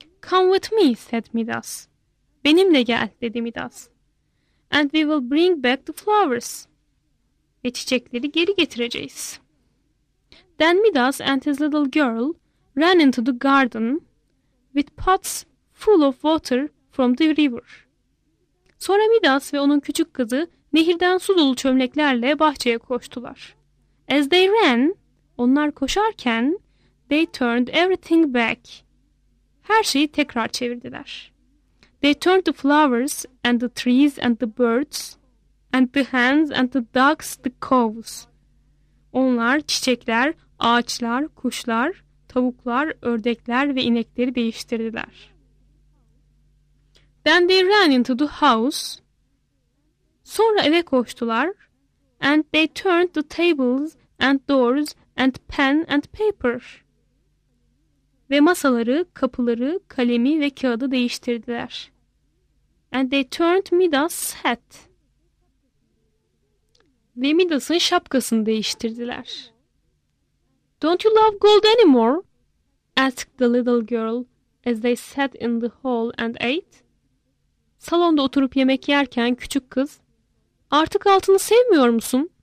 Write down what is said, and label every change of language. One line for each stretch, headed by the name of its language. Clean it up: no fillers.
English: Come with me, said Midas.
Turkish: Benimle gel, dedi Midas.
English: And we will bring back the flowers.
Turkish: Ve çiçekleri geri getireceğiz.
English: Then Midas and his little girl ran into the garden with pots full of water from the river.
Turkish: Sonra Midas ve onun küçük kızı nehirden su dolu çömleklerle bahçeye koştular.
English: As they ran,
Turkish: onlar koşarken,
English: they turned everything back.
Turkish: Her şeyi tekrar çevirdiler.
English: They turned the flowers and the trees and the birds and the hens and the ducks, the cows.
Turkish: Onlar çiçekler, ağaçlar, kuşlar, tavuklar, ördekler ve inekleri değiştirdiler.
English: Then they ran into the house.
Turkish: Sonra eve koştular.
English: And they turned the tables and doors and pen and paper.
Turkish: Ve masaları, kapıları, kalemi ve kağıdı değiştirdiler.
English: And they turned Midas' hat.
Turkish: Ve Midas'ın şapkasını değiştirdiler.
English: Don't you love gold anymore? Asked the little girl as they sat in the hall and ate.
Turkish: Salonda oturup yemek yerken küçük kız, artık altını sevmiyor musun?